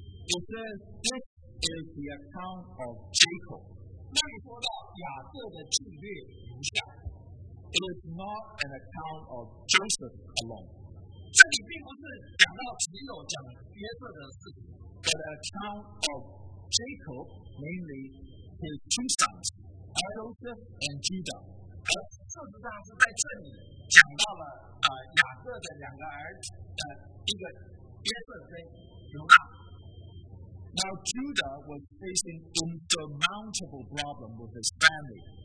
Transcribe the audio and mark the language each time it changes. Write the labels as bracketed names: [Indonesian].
[English] It says, "This is the account of Jacob." [Chinese] 那里说到雅各的境略如下。 [English] It is not an account of Joseph alone. [Chinese] 这里并不是讲到只有讲约瑟的事情。 [English] But an account of Jacob, namely his two sons, Joseph and Judah. [Chinese] 而事实上是在这里讲到了雅各的两个儿子，一个约瑟跟犹大。 [English] Now Judah was facing insurmountable problem with his family.